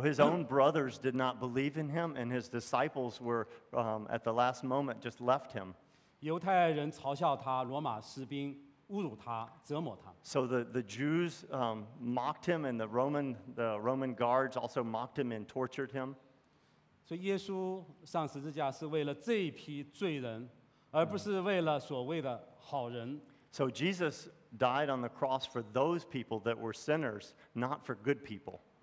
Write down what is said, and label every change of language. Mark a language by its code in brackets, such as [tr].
[en] his own brothers did not believe in him, and his disciples were at the last moment just left him. [zh] 犹太人嘲笑他，罗马士兵。 [en] So the Jews mocked him, and the Roman guards also mocked him and tortured him. So Jesus on the cross is for these sinners, not for so-called good people. So Jesus died on the cross for those people that were sinners, not for good people.